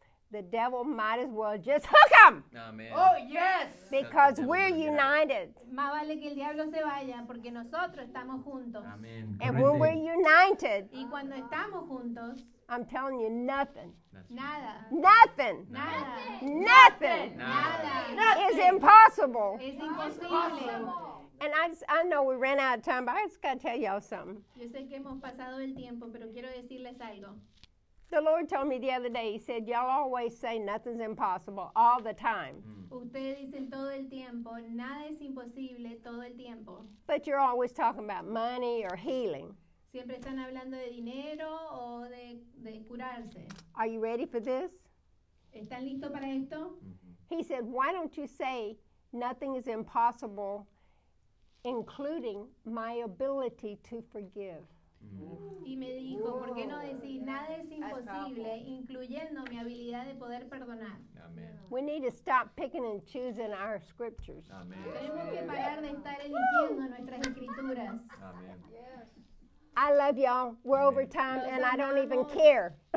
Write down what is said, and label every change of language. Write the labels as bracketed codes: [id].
[en] the devil might as well just hook him. Amen. Oh, yes. Because we're united. [es] Más vale que el diablo se vaya porque nosotros estamos juntos. [en] Amen. And when we're united, [es] y cuando estamos juntos, [en] I'm telling you, nothing. [es] Nada. [en] Nothing. [es] Nada. [en] Nothing. [es] Nada. [en] Nothing. [es] Nada. [en] Is impossible. [es] Es imposible. [en] And I know we ran out of time, but I just got to tell y'all something. [es] Yo sé que hemos pasado el tiempo, pero quiero decirles algo. [en] The Lord told me the other day, he said, y'all always say nothing's impossible all the time. [es] Ustedes dicen todo el tiempo, nada es imposible todo el tiempo. [en] But you're always talking about money or healing. [es] Siempre están hablando de dinero o de curarse. [en] Are you ready for this? [es] ¿Están listos para esto? [en] He said, why don't you say nothing is impossible, including my ability to forgive? [es] Y me dijo, ¿por qué no decir nada es imposible, incluyendo mi habilidad de poder perdonar? [en] We need to stop picking and choosing our scriptures. [es] Tenemos que parar de estar eligiendo nuestras escrituras. [en] I love y'all. We're over time, and I don't even care.